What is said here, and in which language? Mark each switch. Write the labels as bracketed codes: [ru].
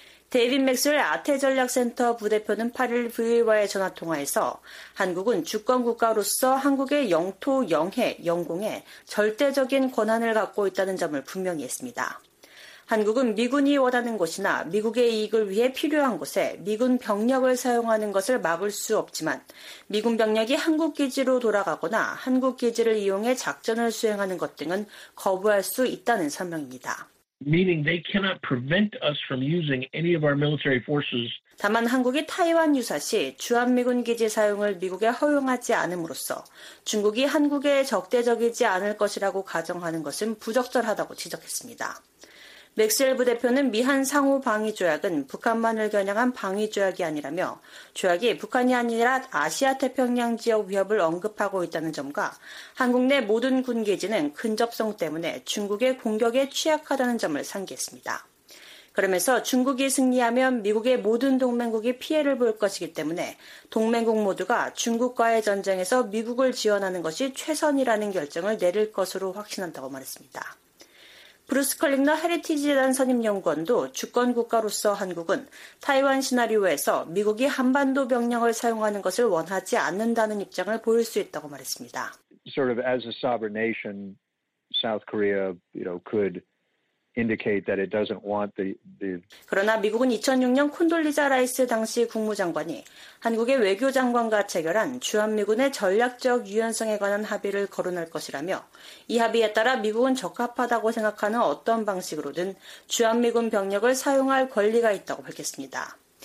[ko] 데이빗 맥스웰 아태전략센터 부대표는 8일 VOA와의 전화통화에서 한국은 주권 국가로서 한국의 영토, 영해, 영공에 절대적인 권한을 갖고 있다는 점을 분명히 했습니다. 한국은 미군이 원하는 곳이나 미국의 이익을 위해 필요한 곳에 미군 병력을 사용하는 것을 막을 수 없지만 미군 병력이 한국 기지로 돌아가거나 한국 기지를 이용해 작전을 수행하는 것 등은 거부할 수 있다는 설명입니다. [en] Meaning they cannot prevent us from using any of our military forces. [ko] 다만 한국이 타이완 유사시 주한미군 기지 사용을 미국에 허용하지 않음으로써 중국이 한국에 적대적이지 않을 것이라고 가정하는 것은 부적절하다고 지적했습니다. 맥스웰 부대표는 미한 상호 방위 조약은 북한만을 겨냥한 방위 조약이 아니라며 조약이 북한이 아니라 아시아 태평양 지역 위협을 언급하고 있다는 점과 한국 내 모든 군기지는 근접성 때문에 중국의 공격에 취약하다는 점을 상기했습니다. 그러면서 중국이 승리하면 미국의 모든 동맹국이 피해를 볼 것이기 때문에 동맹국 모두가 중국과의 전쟁에서 미국을 지원하는 것이 최선이라는 결정을 내릴 것으로 확신한다고 말했습니다. 브루스 컬링너 헤리티지재단 선임연구원도 주권국가로서 한국은 타이완 시나리오에서 미국이 한반도 병력을 사용하는 것을 원하지 않는다는 입장을 보일 수 있다고 말했습니다. [en] Sort of as a sovereign nation, South Korea, you know, could indicate that it doesn't want the [ko] 그러나 미국은 2006년 콘돌리자 라이스 당시 국무장관이 한국의 외교 장관과 체결한 주한미군의 전략적 유연성에 관한 합의를 거론할 것이라며 이 합의에 따라 미국은 적합하다고 생각하는 어떤 방식으로든 주한미군 병력을 사용할 권리가 있다고 밝혔습니다.